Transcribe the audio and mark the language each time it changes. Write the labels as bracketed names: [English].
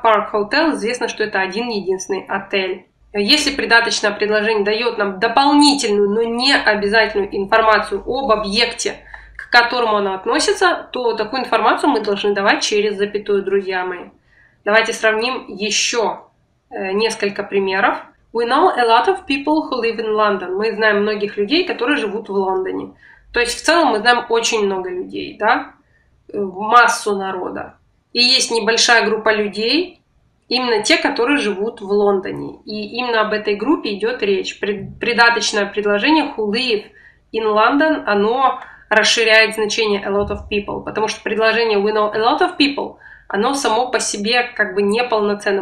[Russian] Park Hotel известно, что это один единственный отель. Если придаточное предложение дает нам дополнительную, но не обязательную информацию об объекте, к которому оно относится, то такую информацию мы должны давать через запятую, друзья мои. Давайте сравним еще несколько примеров. [English] We know a lot of people who live in London. [Russian] Мы знаем многих людей, которые живут в Лондоне. То есть в целом мы знаем очень много людей, да? Массу народа. И есть небольшая группа людей, Именно те, которые живут в Лондоне. И именно об этой группе идет речь. Придаточное предложение [English] who live in London, [Russian] оно расширяет значение [English] a lot of people, [Russian] потому что предложение [English] we know a lot of people, [Russian] оно само по себе как бы неполноценно.